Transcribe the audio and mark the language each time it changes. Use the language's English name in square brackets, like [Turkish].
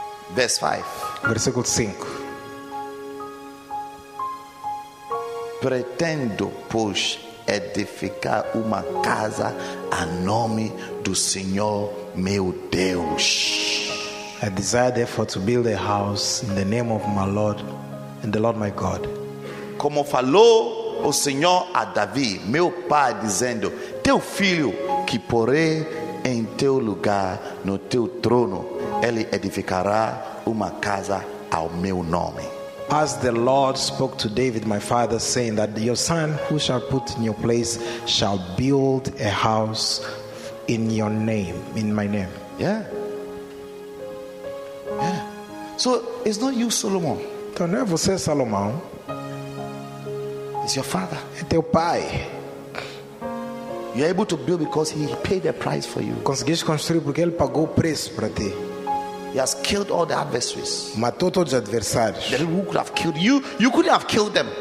[English] Verse 5. [Portuguese] Versículo 5. Pretendo, pois, edificar uma casa a nome do Senhor meu Deus. [English] I desire therefore to build a house in the name of my Lord and the Lord my God. [Portuguese] Como falou o Senhor a Davi, meu pai, dizendo: teu filho que porei em teu lugar no teu trono, ele edificará uma casa ao meu nome. [English] As the Lord spoke to David my father, saying that your son who shall put in your place shall build a house in your name, in my name. Yeah. Yeah. So it's not you, Solomon. [Portuguese] Então não é você, Salomão. [English] It's your father. [Portuguese] É teu pai. [English] You are able to build because he paid the price for you. [Portuguese] Conseguiste construir porque ele pagou o preço para ti. [English] He has killed all the adversaries. [Portuguese] Matou todos os adversários. [English] The people who could have killed you, you couldn't have killed them.